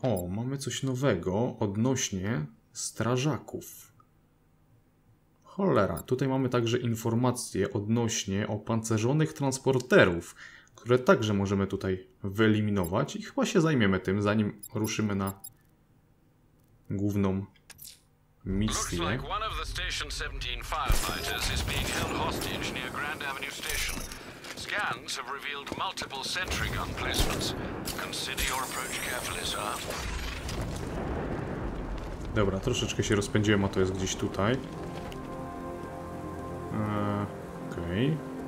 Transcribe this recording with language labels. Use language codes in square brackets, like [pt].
[pl] O, mamy coś nowego odnośnie strażaków. Cholera, tutaj mamy także informacje odnośnie opancerzonych transporterów, które także możemy tutaj wyeliminować i chyba się zajmiemy tym, zanim ruszymy na główną misję. [en] Looks like one of the Station 17 firefighters is being held hostage near Grand Avenue Station. Scans have revealed multiple sentry gun placements. Consider your approach carefully, sir. [pl] Dobra, troszeczkę się rozpędziłem, a to jest gdzieś tutaj. Okej.